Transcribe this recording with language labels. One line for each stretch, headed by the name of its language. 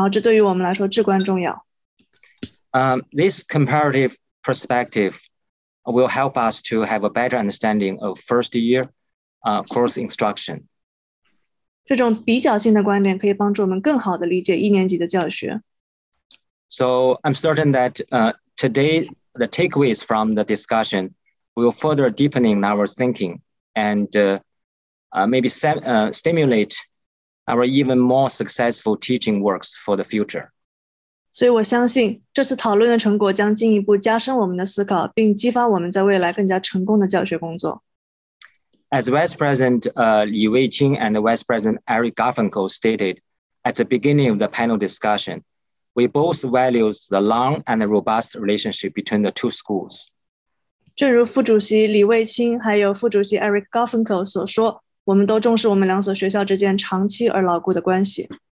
Chinese: 然后尤其是我们要多听取不同大学意见，尤其是美国、中国或者是这种国际性的，在国家高等教育制度之间的差异很大的学校的意见，然后这对于我们来说至关重要。
English: This comparative perspective will help us to have a better understanding of first year course instruction.
Chinese: 这种比较性的观点可以帮助我们更好地理解一年级的教学。
English: So I'm certain that today the takeaways from the discussion will further deepening our thinking and stimulate our even more successful teaching works for the future.
Chinese: 所以我相信这次讨论的成果将进一步加深我们的思考并激发我们在未来更加成功的教学工作。
English: As Vice President Li Weiqing and Vice President Eric Garfinkel stated at the beginning of the panel discussion, we both value the long and the robust relationship between the two schools.
Chinese: 正如副主席李卫青还有副主席 Eric Garfinkel 所说，我们都重视我们两所学校之间长期而牢固的关系。